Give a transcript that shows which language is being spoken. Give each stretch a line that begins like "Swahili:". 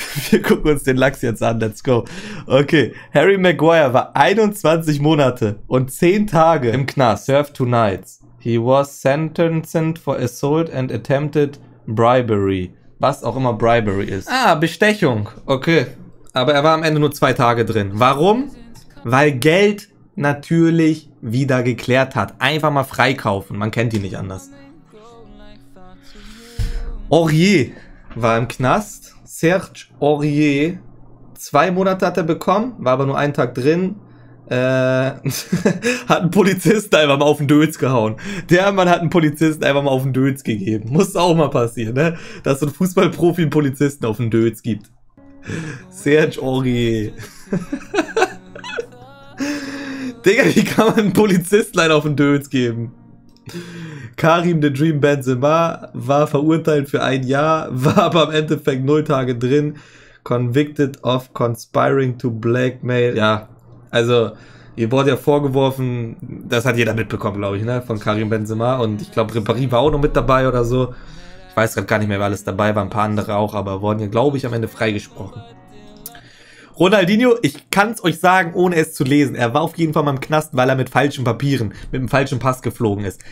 German: Wir gucken uns den Lachs jetzt an,
English: let's go.
German: Okay, Harry Maguire war 21 Monate und 10 Tage im Knast.
English: Serve two nights. He was sentenced for assault and attempted bribery.
German: Was auch immer bribery ist. Ah, Bestechung. Okay. Aber er war am Ende nur 2 Tage drin. Warum? Weil Geld natürlich wieder geklärt hat. Einfach mal freikaufen. Man kennt ihn nicht anders. Aurier war im Knast. Serge Aurier. 2 Monate hat er bekommen, war aber nur 1 Tag drin. hat einen Polizisten einfach mal auf den Dötz gehauen. Der Mann hat einen Polizisten einfach mal auf den Dötz gegeben. Muss auch mal passieren, ne? Dass so ein Fußballprofi einen Polizisten auf den Dötz gibt. Serge Aurier. Digga, wie kann man einen Polizisten leider auf den Dötz geben? Karim the Dream Benzema war verurteilt für 1 Jahr, war aber im Endeffekt 0 Tage drin.
English: Convicted of conspiring to blackmail.
German: Ja. Also, ihr wurde ja vorgeworfen, das hat jeder mitbekommen, glaube ich, ne? Von Karim Benzema. Und ich glaube, Ribéry war auch noch mit dabei oder so. Ich weiß gerade gar nicht mehr, wer alles dabei war. Ein paar andere auch, aber wurden ja, glaube ich, am Ende freigesprochen. Ronaldinho, ich kann es euch sagen, ohne es zu lesen. Er war auf jeden Fall mal im Knast, weil er mit falschen Papieren, mit dem falschen Pass geflogen ist.